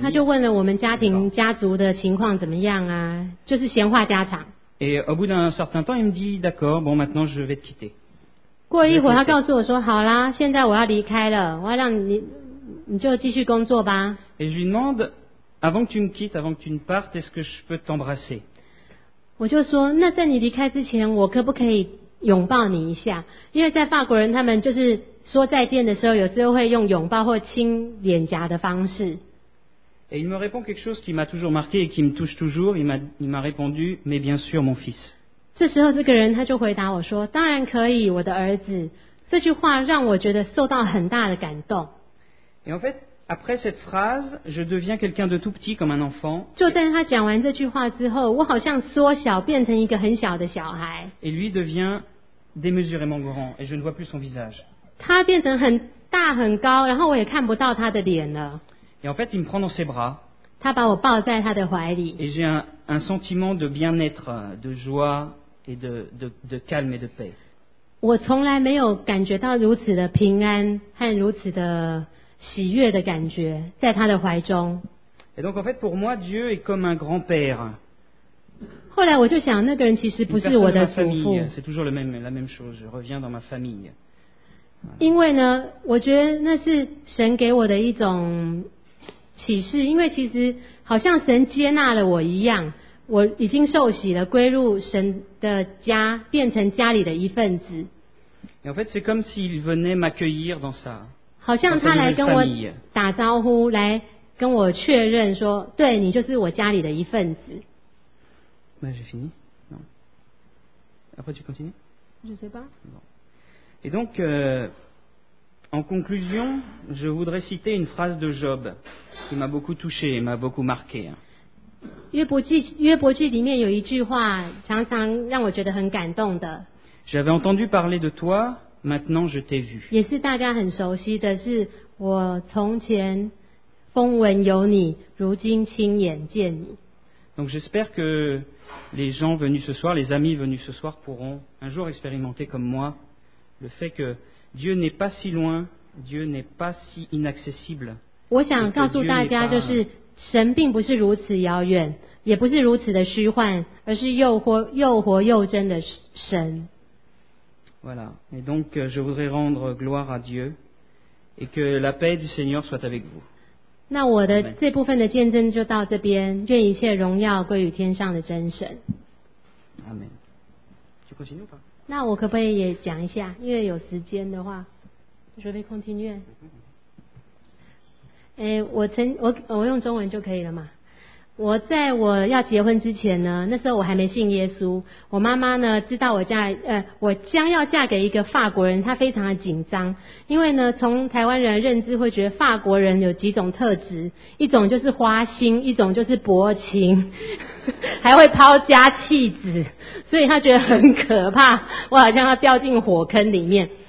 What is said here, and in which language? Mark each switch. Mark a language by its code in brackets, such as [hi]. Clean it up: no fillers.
[zh] 他就问了我们家庭家族的情况怎么样啊, 就是闲话家常。 [fr] Et au bout d'un certain temps, il me dit, d'accord, bon, maintenant je vais te quitter. [zh] 过了一会儿, 他告诉我说, 好啦, 现在我要离开了, 我要让你, 你就继续工作吧。 [fr] Et je lui demande, avant que tu me quittes, avant que tu ne partes, est-ce que je peux t'embrasser? [zh] 我就说, 那在你离开之前, 我可不可以拥抱你一下? 因为在法国人他们就是, 说再见的时候, 有时候会用拥抱或亲脸颊的方式。 [fr] Et il me répond quelque chose qui m'a toujours marqué et qui me touche toujours. Il m'a répondu, mais bien sûr, mon fils. [zh] 这时候这个人他就回答我说, 当然可以,我的儿子, 这句话让我觉得受到很大的感动。 [fr] Et en fait, après cette phrase, je deviens quelqu'un de tout petit comme un enfant. [zh] 就在他讲完这句话之后, 我好像缩小, 变成一个很小的小孩。 [fr] Et lui devient démesurément grand et je ne vois plus son visage. [zh] 他变成很大很高, 然后我也看不到他的脸了。 [fr] Et en fait, il me prend dans ses bras. [zh] 他把我抱在他的怀里。 [fr] Et j'ai un sentiment de bien-être, de joie et de calme et de paix. [zh] 我从来没有感觉到如此的平安和如此的喜悦的感觉, 在他的怀中。 [fr] Et donc en fait, pour moi, Dieu est comme un grand-père. [zh] 后来我就想, 那个人其实不是我的祖父。 [fr] Une personne de ma famille, c'est toujours la même chose. Je reviens dans ma famille. [zh] 因为呢, 我觉得那是神给我的一种启示, 因为其实好像神接纳了我一样, 我已经受洗了, 归入神的家, 变成家里的一份子。 [fr] Et en fait, c'est comme s'il venait m'accueillir dans sa famille. [zh] 好像他来跟我打招呼, 来跟我确认说, 对, 你就是我家里的一份子。 [fr] Mais j'ai fini? Non. Après, tu continues? Je sais pas. Bon. Et donc, en conclusion, je voudrais citer une phrase de Job qui m'a beaucoup touché et m'a beaucoup marqué. [zh] 约伯记里面有一句话常常让我觉得很感动的。 [fr] J'avais entendu parler de toi, maintenant je t'ai vu. [zh] 也是大家很熟悉的是我从前风闻有你如今亲眼见你。 [fr] Donc j'espère que les gens venus ce soir, les amis venus ce soir pourront un jour expérimenter comme moi le fait que Dieu n'est pas si loin, Dieu n'est pas si inaccessible. [zh] 我想告诉大家就是, 神并不是如此遥远，也不是如此的虚幻，而是又活又真的神。 [fr] Voilà. Et donc, je voudrais rendre gloire à Dieu et que la paix du Seigneur soit avec vous. [zh] 那我的这部分的见证就到这边，愿一切荣耀归于天上的真神。 [fr] Amen. [zh] 就 continue 吧。那我可不可以也讲一下？因为有时间的话 ， [fr] je vais continuer。 [zh] 哎，我用中文就可以了嘛。我在我要结婚之前呢，那时候我还没信耶稣，我妈妈呢知道我将要嫁给一个法国人，她非常的紧张，因为呢从台湾人的认知会觉得法国人有几种特质，一种就是花心，一种就是薄情，还会抛家弃子，所以她觉得很可怕，我好像要掉进火坑里面。